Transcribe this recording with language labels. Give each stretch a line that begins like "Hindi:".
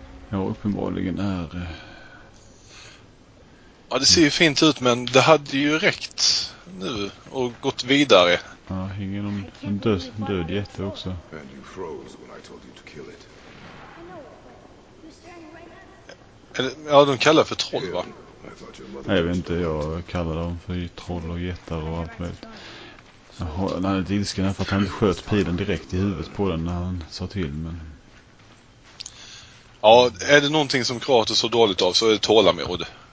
Swedish: Ja, uppenbarligen är... Ja, det ser ju fint ut, men det hade ju räckt nu och gått vidare. Ja, hänger en död jätte också.
English: And you froze when I told you to kill it.
Swedish: Ja, de kallar för troll, va? Nej, jag vet inte. Jag kallar dem för troll och jättar och allt möjligt. Han är lite ilsken för att han inte sköt pilen direkt i huvudet på den när han sa till, men... Ja, är det någonting som Kratos så dåligt av så är det tålamod.